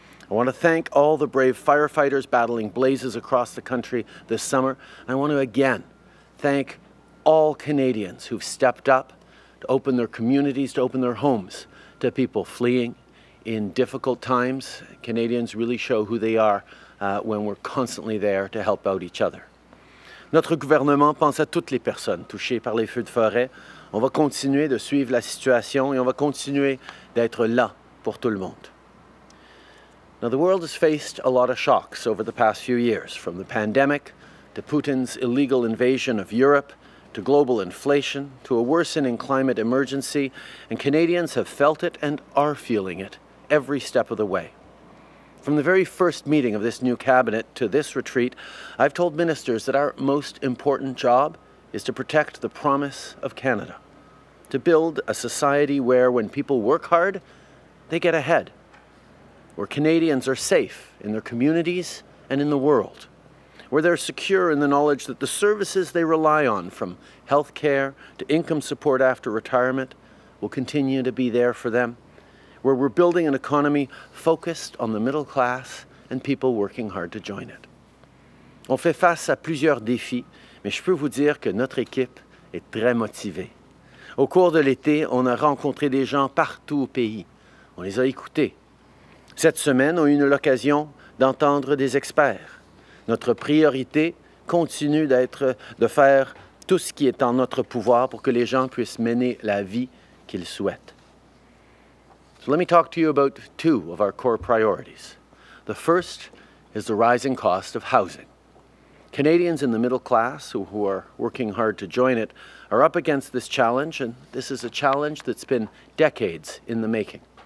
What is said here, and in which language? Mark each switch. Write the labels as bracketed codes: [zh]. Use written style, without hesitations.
[en] I want to thank all the brave firefighters battling blazes across the country this summer. I want to again thank all Canadians who've stepped up to open their communities, to open their homes to people fleeing in difficult times. Canadians really show who they are when we're constantly there to help out each other. [fr] Notre gouvernement pense à toutes les personnes touchées par les feux de forêt. On va continuer de suivre la situation et on va continuer d'être là pour tout le monde. [en] Now, the world has faced a lot of shocks over the past few years, from the pandemic, to Putin's illegal invasion of Europe, to global inflation, to a worsening climate emergency, and Canadians have felt it and are feeling it every step of the way. From the very first meeting of this new cabinet to this retreat, I've told ministers that our most important job is to protect the promise of Canada, to build a society where, when people work hard, they get ahead, where Canadians are safe in their communities and in the world, where they're secure in the knowledge that the services they rely on, from health care to income support after retirement, will continue to be there for them, where we're building an economy focused on the middle class and people working hard to join it. [fr] On fait face à plusieurs défis, mais je peux vous dire que notre équipe est très motivée. Au cours de l'été, on a rencontré des gens partout au pays. On les a écoutés. Cette semaine, on a eu l'occasion d'entendre des experts. Notre priorité continue d'être de faire tout ce qui est en notre pouvoir pour que les gens puissent mener la vie qu'ils souhaitent. [en] So let me talk to you about two of our core priorities. The first is the rising cost of housing. Canadians in the middle class, who are working hard to join it, are up against this challenge, and this is a challenge that's been decades in the making.